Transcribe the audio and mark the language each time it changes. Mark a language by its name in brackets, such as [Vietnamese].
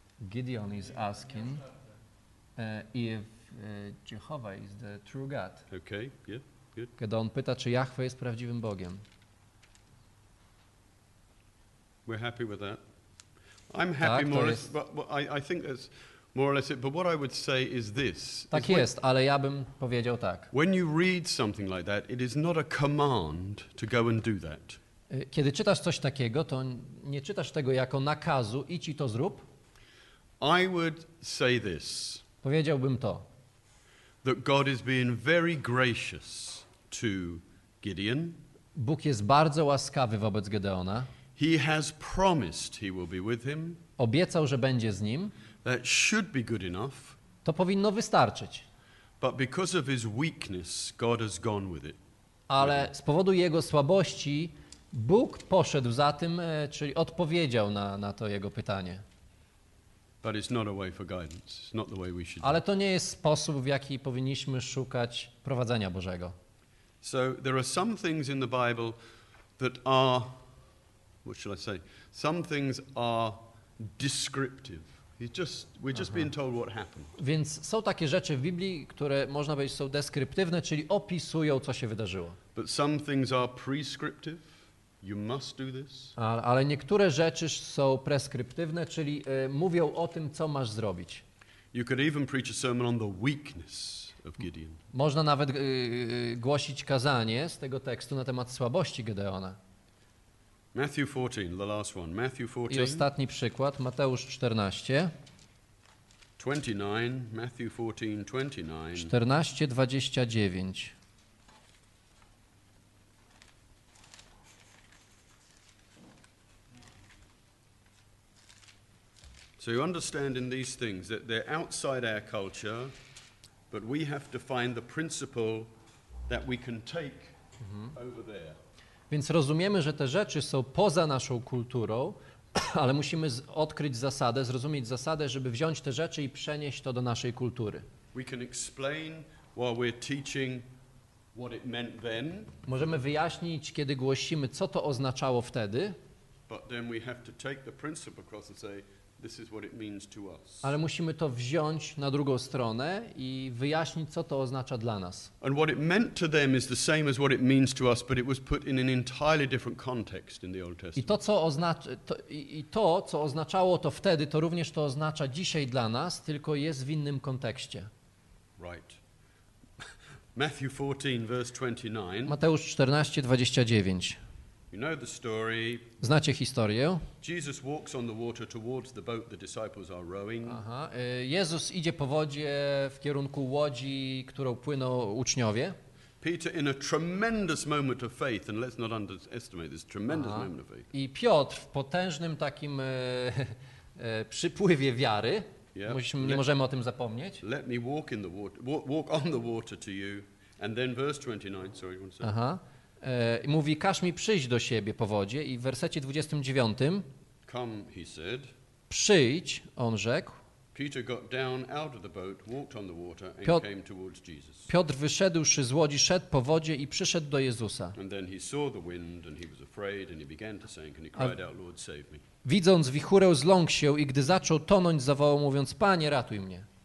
[English] Gideon is asking if Jehovah is the true God. Okay, yeah, good. [Polish] Kiedy on pyta, czy Jahwe jest prawdziwym Bogiem. [English] We're happy with that. I'm happy [Polish] tak, [English] more or less, but I think that's more or less it, but what I would say is this. [Polish] Tak [English] is [Polish] jest, ale ja bym powiedział tak. [English] When you read something like that, it is not a command to go and do that. [Polish] Kiedy czytasz coś takiego, to nie czytasz tego jako nakazu, idź i to zrób. [English] I would say this. [Polish] Powiedziałbym to. [English] That God is being very gracious to Gideon. [Polish] Bóg jest bardzo łaskawy wobec Gedeona. [English] He has promised he will be with him. [Polish] Obiecał, że będzie z nim. [English] That should be good enough. [Polish] To powinno wystarczyć. [English] But because of his weakness, God has gone with it. [Polish] Ale z powodu jego słabości Bóg poszedł za tym, czyli odpowiedział na to jego pytanie. [English] But it's not a way for guidance. It's not the way we should. [Polish] Ale to nie jest sposób, w jaki powinniśmy szukać prowadzenia Bożego. [English] So there are some things in the Bible that are, what shall I say? Some things are descriptive. We're just being told what happened. [Polish] Więc są takie rzeczy w Biblii, które można powiedzieć są deskryptywne, czyli opisują, co się wydarzyło. [English] But some things are prescriptive. You must do this. [Polish] Ale niektóre rzeczy są preskryptywne, czyli mówią o tym, co masz zrobić. [English] You could even preach a sermon on the weakness of Gideon. [Polish] Można nawet głosić kazanie z tego tekstu na temat słabości Gedeona. [English] Matthew 14, the last one. Matthew 14. [Polish] I ostatni przykład, Mateusz 14. [English] 29, Matthew 14, 29. 14, 29. So you understand in these things that they're outside our culture, but we have to find the principle that we can take over there. [Polish] Więc rozumiemy, że te rzeczy są poza naszą kulturą, ale musimy odkryć zasadę, zrozumieć zasadę, żeby wziąć te rzeczy i przenieść to do naszej kultury. [English] We can explain while we're teaching what it meant then. [Polish] Możemy wyjaśnić, kiedy głosimy, co to oznaczało wtedy. [English] But then we have to take the principle across and say, this is what it means to us. [Polish] Ale musimy to wziąć na drugą stronę i wyjaśnić, co to oznacza dla nas. [English] And what it meant to them is the same as what it means to us, but it was put in an entirely different context in the Old Testament. [Polish] I to, co oznaczało to wtedy, to również to oznacza dzisiaj dla nas, tylko jest w innym kontekście. [English] Right. Matthew 14, verse 29. [Polish] Mateusz 14, 29. [English] You know the story. [Polish] Znacie historię. [English] Jesus walks on the water towards the boat the disciples are rowing. Aha. [Polish] Jezus idzie po wodzie w kierunku łodzi, którą płyną uczniowie. [English] Peter in a tremendous moment of faith, and let's not underestimate this tremendous moment of faith. [Polish] I Piotr w potężnym takim przypływie wiary. [English] Yep. [Polish] Nie możemy o tym zapomnieć. [English] Let me walk in the water, walk on the water to you, and then verse 29. Sorry, you want to say? Aha. [Polish] I mówi, każ mi przyjść do siebie po wodzie. I w wersecie 29 [English] come, he said, [Polish] przyjdź, on rzekł, [English] Peter got down out of the boat, walked on the water and Piotr, came towards Jesus. [Polish] Piotr wyszedłszy z łodzi, szedł po wodzie i przyszedł do Jezusa. [English] And then he saw the wind and he was afraid and he began to sink and he cried out, Lord, save me. [Polish] Widząc wichurę, zląkł się i gdy zaczął tonąć, zawołał mówiąc, Panie, ratuj mnie.